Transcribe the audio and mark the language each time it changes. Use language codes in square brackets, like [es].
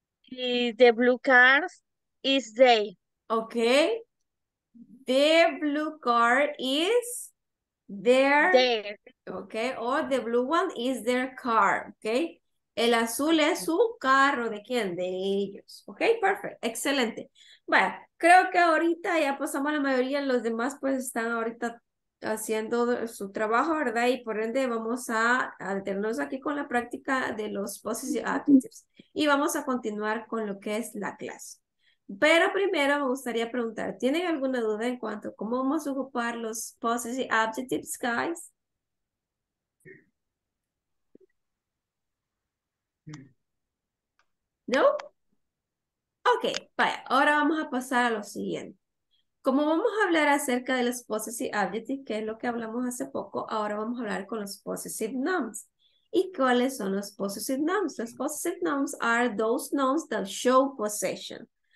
[en] The blue car is they. Okay. Their blue car is their, okay, or the blue one is their car, okay? [es] El azul es su carro, ¿de quién? De ellos, okay, perfect, excelente. Bueno, creo que ahorita ya pasamos la mayoría, los demás pues están ahorita haciendo su trabajo, ¿verdad? Y por ende vamos a alternarnos aquí con la práctica de los possessive adjectives y vamos a continuar con lo que es la clase. Pero primero me gustaría preguntar, ¿tienen alguna duda en cuanto a cómo vamos a ocupar los possessive adjectives, guys? ¿No? Ok, vaya, ahora vamos a pasar a lo siguiente. Como vamos a hablar acerca de los possessive adjectives, que es lo que hablamos hace poco, ahora vamos a hablar con los possessive nouns. ¿Y cuáles son los possessive nouns? [en] Los possessive nouns are those nouns that show possession.